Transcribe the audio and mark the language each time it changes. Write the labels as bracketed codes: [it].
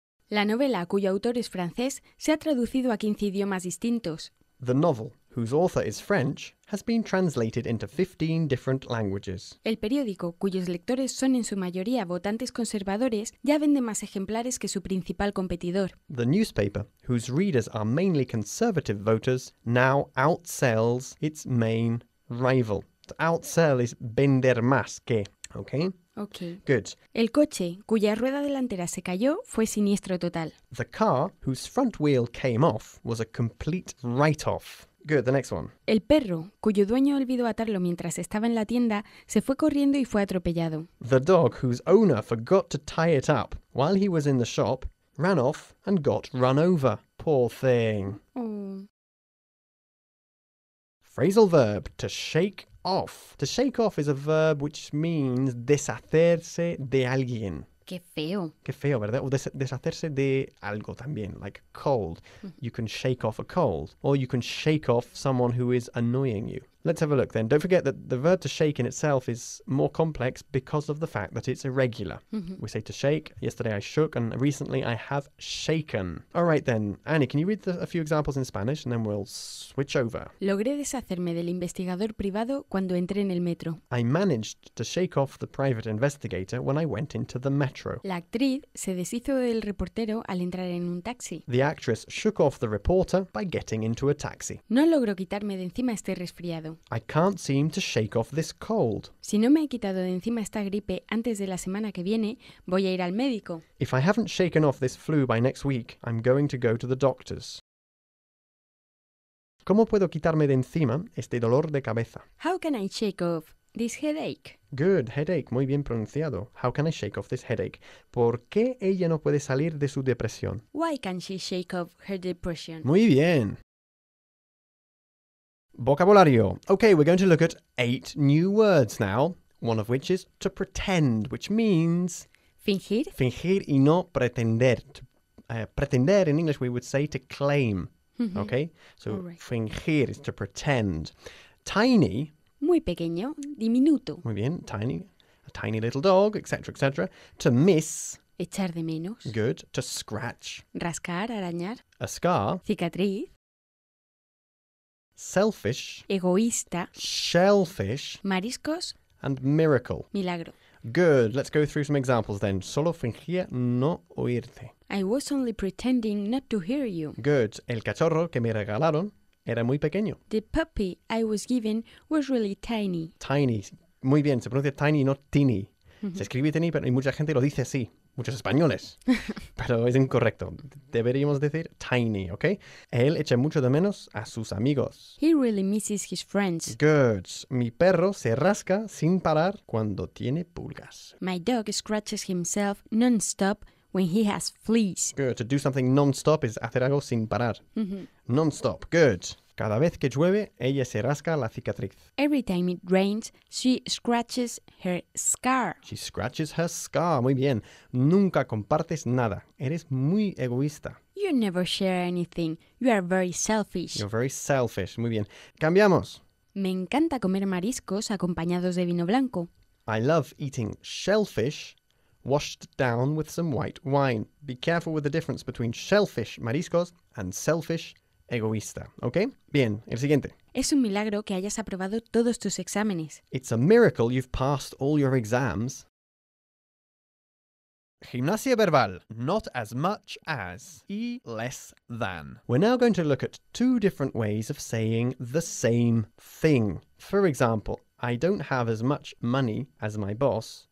[es] La novela, cuyo autor es francés, se ha traducido a 15 idiomas distintos. [en] The novel, whose author is French, has been translated into 15 different languages. [es] El periódico, cuyos lectores son en su mayoría votantes conservadores, ya vende más ejemplares que su principal competidor. [en] The newspaper, whose readers are mainly conservative voters, now outsells its main rival. To outsell is [es] vender más que, [en] okay? Okay. Good. [es] El coche, cuya rueda delantera se cayó, fue siniestro total. [en] The car, whose front wheel came off, was a complete write-off. Good, the next one. [es] El perro, cuyo dueño olvidó atarlo mientras estaba en la tienda, se fue corriendo y fue atropellado. [en] The dog, whose owner forgot to tie it up while he was in the shop, ran off and got run over. Poor thing. Oh. Phrasal verb, to shake off. To shake off is a verb which means [es] deshacerse de alguien. Qué feo. Qué feo, ¿verdad? O deshacerse de algo también, [en] like cold. You can shake off a cold. Or you can shake off someone who is annoying you. Let's have a look then. Don't forget that the verb to shake in itself is more complex because of the fact that it's irregular. Mm-hmm. We say to shake. Yesterday I shook and recently I have shaken. All right then. Annie, can you read a few examples in Spanish and then we'll switch over. [es] Logré deshacerme del investigador privado cuando entré en el metro. [en] I managed to shake off the private investigator when I went into the metro. [es] La actriz se deshizo del reportero al entrar en un taxi. [en] The actress shook off the reporter by getting into a taxi. [es] No logro quitarme de encima este resfriado. [en] I can't seem to shake off this cold. [es] Si no me he quitado de encima esta gripe antes de la semana que viene, voy a ir al médico. [en] If I haven't shaken off this flu by next week, I'm going to go to the doctors. [es] ¿Cómo puedo quitarme de encima este dolor de cabeza? [en] How can I shake off this headache? Good, headache, [es] muy bien pronunciado. [en] How can I shake off this headache? [es] ¿Por qué ella no puede salir de su depresión? [en] Why can't she shake off her depression? [es] Muy bien. Vocabulario. [en] Okay, we're going to look at 8 new words now, one of which is to pretend, which means... [es] Fingir. Fingir y no pretender. [en] Pretender in English we would say to claim, mm-hmm. Okay? So right. Fingir is to pretend. Tiny. [es] Muy pequeño, diminuto. Muy bien, [en] tiny. A tiny little dog, etc., etc. To miss. [es] Echar de menos. [en] Good. To scratch. [es] Rascar, arañar. [en] A scar. [es] Cicatriz. [en] Selfish, [es] egoísta, [en] shellfish, [es] mariscos, [en] and miracle, [es] milagro. [en] Good. Let's go through some examples then. [es] Solo fingía no oírte. [en] I was only pretending not to hear you. Good. [es] El cachorro que me regalaron era muy pequeño. [en] The puppy I was given was really tiny. [es] Tiny. Muy bien. Se pronuncia tiny, no teeny. Se escribe teeny, pero mucha gente lo dice así. Muchos españoles. Pero es incorrecto. Deberíamos decir tiny, ¿ok? Él echa mucho de menos a sus amigos. [en] He really misses his friends. Good. [es] Mi perro se rasca sin parar cuando tiene pulgas. [en] My dog scratches himself non-stop when he has fleas. Good. To do something non-stop is [es] hacer algo sin parar. [en] Non-stop. Good. [es] Cada vez que llueve, ella se rasca la cicatriz. [en] Every time it rains, she scratches her scar. She scratches her scar. [es] Muy bien. Nunca compartes nada. Eres muy egoísta. [en] You never share anything. You are very selfish. You're very selfish. [es] Muy bien. Cambiamos. Me encanta comer mariscos acompañados de vino blanco. [en] I love eating shellfish washed down with some white wine. Be careful with the difference between shellfish mariscos and selfish egoísta, ¿ok? [es] Bien, el siguiente. Es un milagro que hayas aprobado todos tus exámenes. [en] It's a miracle you've passed all your exams. [es] Gimnasia verbal. [en] Not as much as. Y less than. We're now going to look at two different ways of saying the same thing. For example, I don't have as much money as my boss.